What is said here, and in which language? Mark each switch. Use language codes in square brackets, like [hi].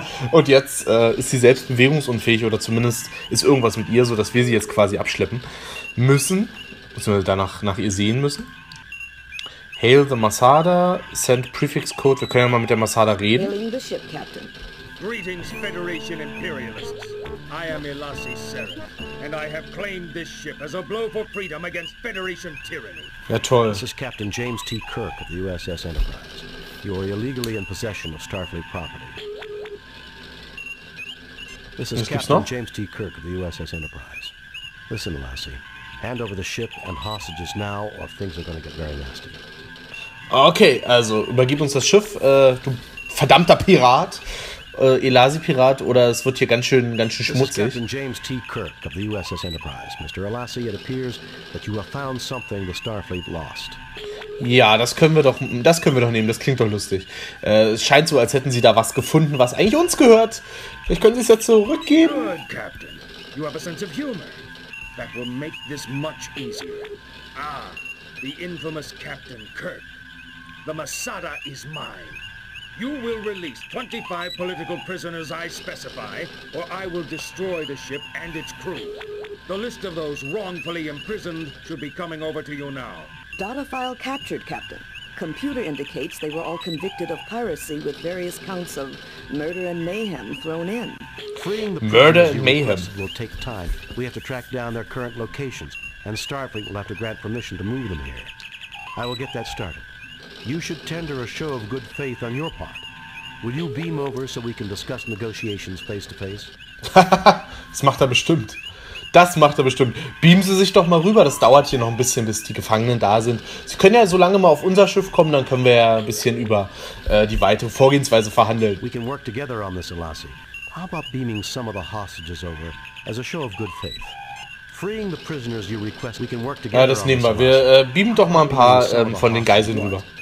[de] Und jetzt ist sie selbst bewegungsunfähig oder zumindest ist irgendwas mit ihr, sodass wir sie jetzt quasi abschleppen müssen, beziehungsweise danach nach ihr sehen müssen. [en] Hail the Masada, send prefix code. [de] Wir können ja mal mit der Masada reden. [en] Hailing the ship, Captain. Greetings, Federation Imperialists. I am Elasi Seren, and I have claimed this ship as a blow for freedom against Federation tyranny. [de] Ja, toll. [en] This is Captain James T. Kirk of the USS Enterprise. You are illegally in possession of Starfleet property. This is Captain James T. Kirk of the USS Enterprise. Listen, Elasi. Hand over the ship and hostages now, or things are going to get very nasty. [de] Okay, also übergib uns das Schiff, du verdammter Pirat, Elasi-Pirat, oder es wird hier ganz schön schmutzig. [en] Captain James T. Kirk of the USS Enterprise, Mr. Elasi, it appears that you have found something the Starfleet lost. [de] Ja, das können wir doch nehmen. Das klingt doch lustig. Es scheint so, als hätten sie da was gefunden, was eigentlich uns gehört. Vielleicht können sie es ja zurückgeben. [en] Good, Captain, you have a sense of humor that will make this much easier. Ah, the infamous Captain Kirk. The Masada is mine. You will release 25 political prisoners I specify, or I will destroy the ship and its crew. The list of those wrongfully imprisoned should be coming over to you now. Data file captured, Captain. Computer indicates they were all convicted of piracy with various counts of murder and mayhem thrown in. Freeing the murder and mayhem will take time. We have to track down their current locations, and Starfleet will have to grant permission to move them here. I will get that started. You should tender a show of good faith on your part. Will you beam over so we can discuss negotiations face to face? [de] Das macht er bestimmt. Das macht er bestimmt. Beamen Sie sich doch mal rüber. Das dauert hier noch ein bisschen, bis die Gefangenen da sind. Sie können ja so lange mal auf unser Schiff kommen, dann können wir ja ein bisschen über die weitere Vorgehensweise verhandeln. [en] We can work together on this, Elasi. How about beaming some of the hostages over as a show of good faith? Freeing the prisoners you request, we can work together. [de] Ja, das nehmen wir. Wir beamen doch mal ein paar von den Geiseln rüber.